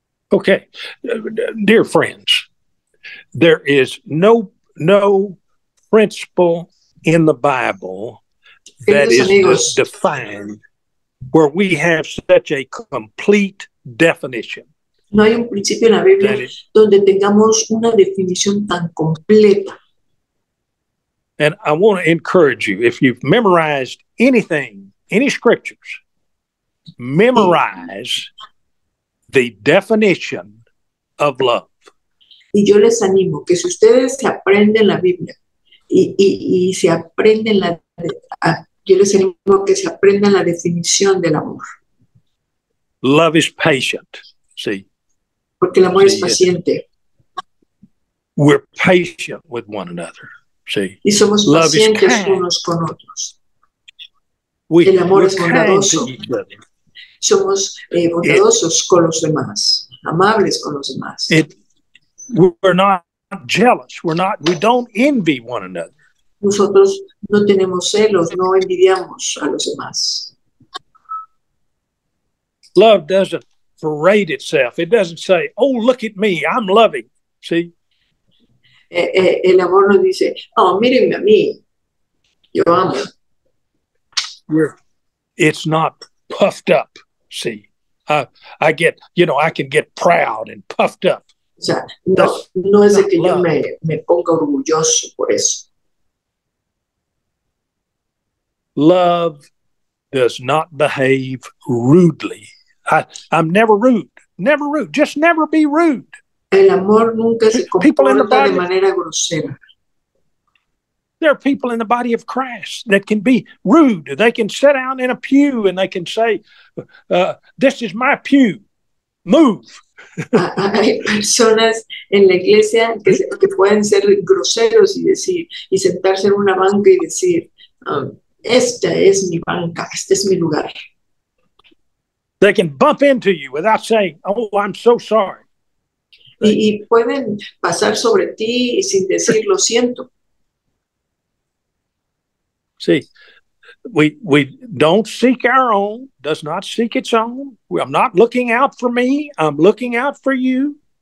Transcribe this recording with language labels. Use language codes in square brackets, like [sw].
[en] Okay, dear friends, there is no principle in the Bible that is defined where we have such a complete definition. [es] No hay un principio en la Biblia donde tengamos una definición tan completa. [en] And I want to encourage you, if you've memorized anything, any scriptures, memorize the definition of love. [es] Y yo les animo que si ustedes se aprenden la Biblia y se aprenden la yo les animo que se aprendan la definición del amor. [en] Love is patient. See? [es] Porque el amor es paciente. [en] We're patient with one another. See? [es] Y somos love pacientes unos con otros. El amor es bondadoso. Somos bondadosos con los demás, amables con los demás. [en] We're not jealous. We don't envy one another. [es] Nosotros no tenemos celos, no envidiamos a los demás. [en] Love doesn't parade itself. It doesn't say, oh, look at me, I'm loving. See? [es] El amor no dice, oh, mírenme a mí, yo amo. [en] It's not puffed up. See, I get, you know, I can get proud and puffed up. [es] O sea, no es de que yo me ponga orgulloso por eso. [en] Love does not behave rudely. I'm never rude. Never rude. Just never be rude. [es] El amor nunca se comporta de manera grosera. [en] There are people in the body of Christ that can be rude. They can sit down in a pew and they can say, this is my pew. Move. [es] Hay personas en la iglesia que pueden ser groseros y decir, y sentarse en una banca y decir, esta es mi banca, este es mi lugar. [en] They can bump into you without saying, oh, I'm so sorry. [es] Y pueden pasar sobre ti sin decir, lo siento. [en] See, we don't seek our own, does not seek its own. I'm not looking out for me, I'm looking out for you.